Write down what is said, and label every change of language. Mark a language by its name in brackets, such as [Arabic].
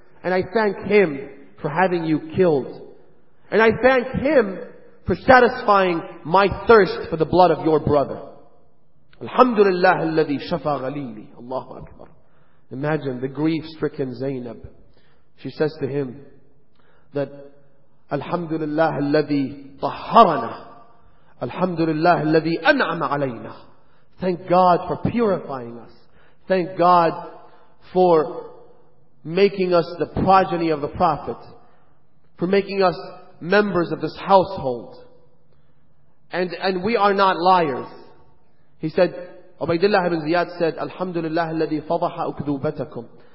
[English] And I thank Him for having you killed. And I thank Him for satisfying my thirst for the blood of your brother. [Arabic] Alhamdulillah alladhi shafa ghalili." [English] Allahu Akbar. Imagine the grief-stricken Zainab. She says to him that, [Arabic] الحمد لله الذي طهرنا. الحمد لله الذي أنعم علينا. [English] Thank God for purifying us. Thank God for making us the progeny of the Prophet, for making us members of this household. And we are not liars. He said, Ubaydullah ibn Ziyad said, [Arabic] Alhamdulillah alladhi fadaha ukdubatakum.